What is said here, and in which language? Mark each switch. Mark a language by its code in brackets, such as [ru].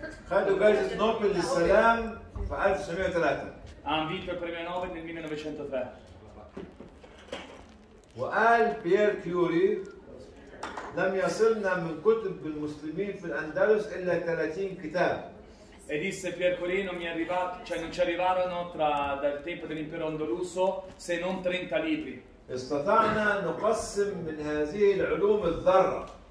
[ar] خدوا جايزة نوبل للسلام في 1903. [it] Han vinto il premio Nobel nel 1903. [ar] وقال بيير كيوري لم يصلنا من كتب المسلمين في الأندلس إلا 30 كتاب. [it] E disse Pier Corino mi arrivato, cioè non ci arrivarono dal tempo dell'impero andaluso se non 30 libri. [ar] استطعنا نقسم من هذه العلوم الذرة.